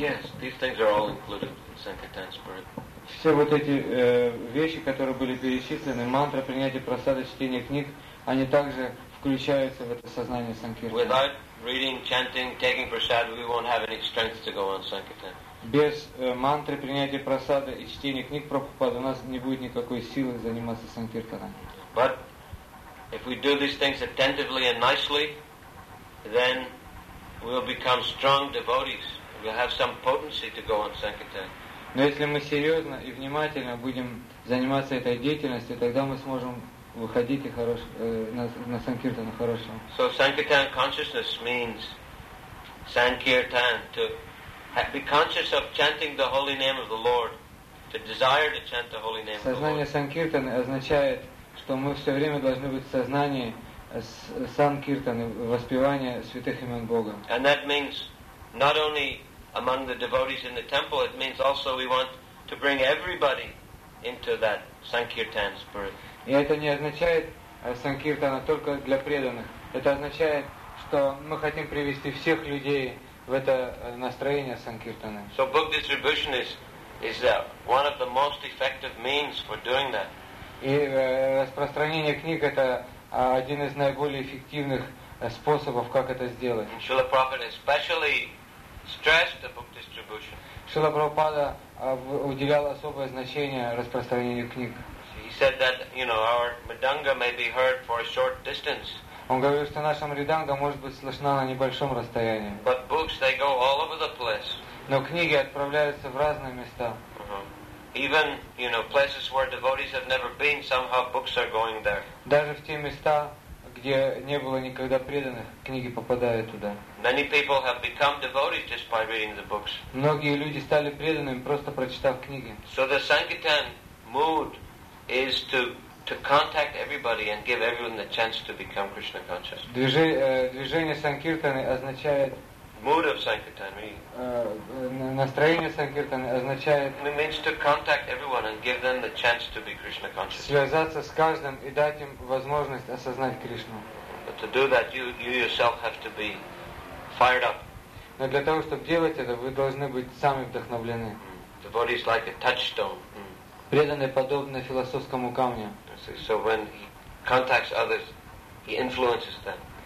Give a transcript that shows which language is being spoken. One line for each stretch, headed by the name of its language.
English: Yes, these things are all included in Sankirtan spirit.
Russian: Все вот эти вещи, которые были перечислены, мантра, принятие просады, чтение книг, они также включаются в это сознание санкиртана.
English: Without reading, chanting, taking prasad, we won't have any strength to go on sankirtan.
Russian: Без мантры, принятия просады и чтения книг Прабхупады у нас не будет никакой силы заниматься санкиртаном.
English: But if we do these things attentively and nicely, then we'll become strong devotees. We'll have some potency to go on sankirtan.
Russian: Но если мы серьезно и внимательно будем заниматься этой деятельностью, тогда мы сможем выходить и хорош, на санкиртану хорошим.
English: So sankirtan consciousness means sankirtan, to be conscious of chanting the holy name of the Lord, to desire to chant the holy name of the Lord.
Russian: Сознание санкиртаны означает, что мы все время должны быть в сознании санкиртаны, воспевания святых имен Бога.
English: And that means not only among the devotees in the temple, it means also we want to bring everybody into that sankirtan spirit.
Russian: И это не означает санкиртана только для преданных. Это означает, что мы хотим привести всех людей в это настроение санкиртаны.
English: So book distribution is one of the most effective means for doing that.
Russian: И распространение книг — это один из наиболее эффективных способов, как это сделать.
English: And Srila Prabhupada especially stressed the book distribution.
Russian: Шрила Прабхупада уделял особое значение распространению книг.
English: He said that, you know, our mridanga may be heard for a short distance.
Russian: Он говорил, что наша мриданга может быть слышна на небольшом расстоянии.
English: But books, they go all over the place.
Russian: Но книги отправляются в разные места.
English: Even, you know, places where devotees have never been, somehow books are going there.
Russian: Даже в те места, где не было никогда преданных, книги попадают туда.
English: Many people have become devotees just by reading the books.
Russian: Многие люди стали преданными, просто прочитав книги.
English: So the sankirtan mood is to contact everybody and give everyone the chance to become Krishna conscious.
Russian: Движение санкиртаны означает...
English: Mood of sankirtan, really.
Russian: Настроение санкиртаны означает...
English: It means to contact everyone and give them the chance to be Krishna conscious.
Russian: Связаться с каждым и дать им возможность осознать Кришну.
English: But to do that, you yourself have to be fired up.
Russian: Но для того, чтобы делать это, вы должны быть сами вдохновлены.
English: The body is like a touchstone.
Russian: Преданные подобны философскому камню.
English: So when he contacts others, he influences them.